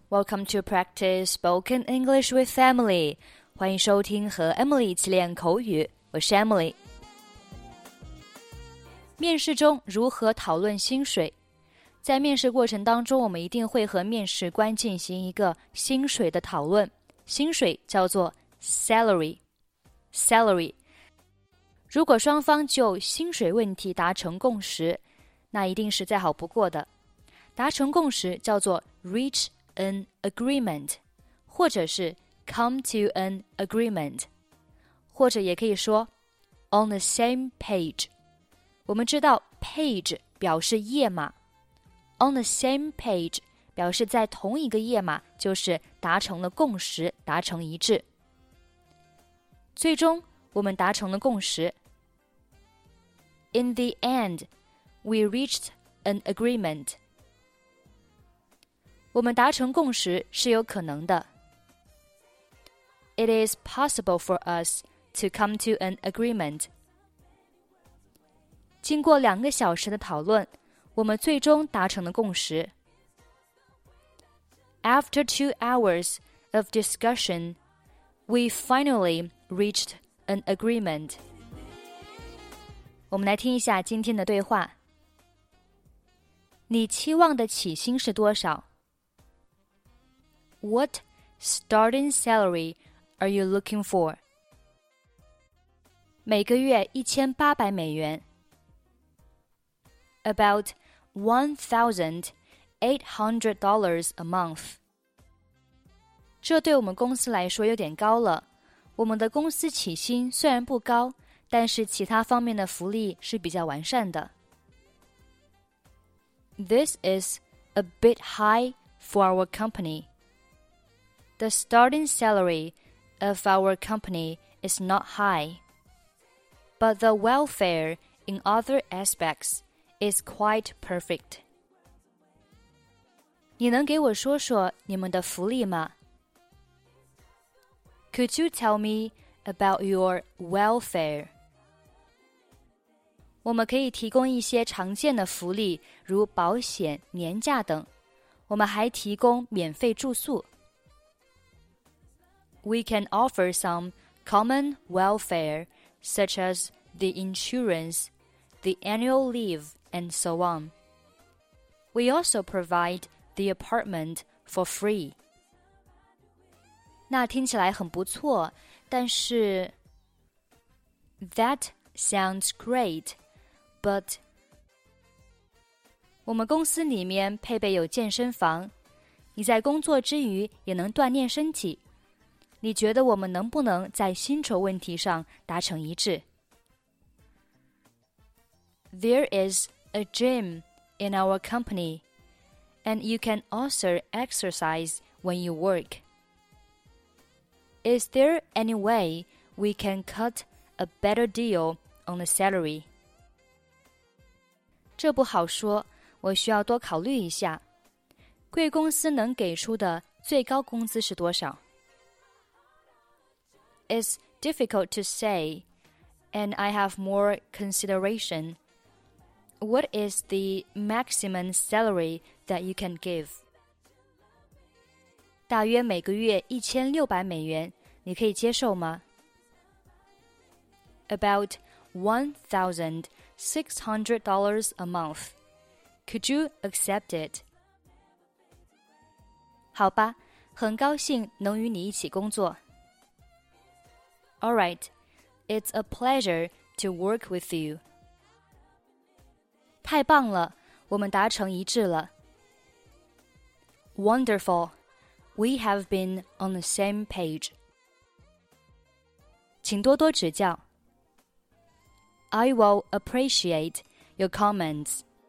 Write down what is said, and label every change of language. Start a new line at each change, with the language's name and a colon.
English: Welcome to practice spoken English with Emily.
Chinese: 欢迎收听和 Emily 一起练口语。我是 Emily。面试中如何讨论薪水？在面试过程当中，我们一定会和面试官进行一个薪水的讨论。薪水叫做 salary。
English: salary。
Chinese: 如果双方就薪水问题达成共识，那一定是再好不过的。达成共识叫做
English: reach an agreement,
Chinese: 或者是
English: come to an agreement,
Chinese: 或者也可以说
English: on the same page。
Chinese: 我们知道 page 表示页码 ,
English: on the same page
Chinese: 表示在同一个页码，就是达成了共识，达成一致。最终我们达成了共识。
English: In the end, we reached an agreement.
Chinese: 我们达成共识是有可能的。
English: It is possible for us to come to an agreement.
Chinese: 经过两个小时的讨论，我们最终达成了共识。
English: After 2 hours of discussion, we finally reached an agreement.
Chinese: 我们来听一下今天的对话。你期望的起薪是多少？
English: What starting salary are you looking for?
Chinese: 每个月1800美元。
English: About $1,800 a month.
Chinese: 这对我们公司来说有点高了。我们的公司起薪虽然不高，但是其他方面的福利是比较完善的。
English: This is a bit high for our company. The starting salary of our company is not high, but the welfare in other aspects is quite perfect.
Chinese: 你能给我说说你们的福利吗？
English: Could you tell me about your welfare?
Chinese: 我们可以提供一些常见的福利，如保险、年假等。我们还提供免费住宿。
English: We can offer some common welfare, such as the insurance, the annual leave, and so on. We also provide the apartment for free.
Chinese: 那听起来很不错，但是
English: That sounds great, but
Chinese: 我们公司里面配备有健身房，你在工作之余也能锻炼身体。你觉得我们能不能在薪酬问题上达成一致？
English: There is a gym in our company, and you can also exercise when you work. Is there any way we can cut a better deal on the salary?
Chinese: 这不好说，我需要多考虑一下。贵公司能给出的最高工资是多少？
English: It's difficult to say, and I have more consideration. What is the maximum salary that you can give?
Chinese: 大约每个月1600美元，你可以接受吗？
English: About $1,600 a month. Could you accept it?
Chinese: 好吧，很高兴能与你一起工作。
English: All right, it's a pleasure to work with you.
Chinese: 太棒了，我们达成一致了。
English: Wonderful, we have been on the same page.
Chinese: 请多多指教。
English: I will appreciate your comments.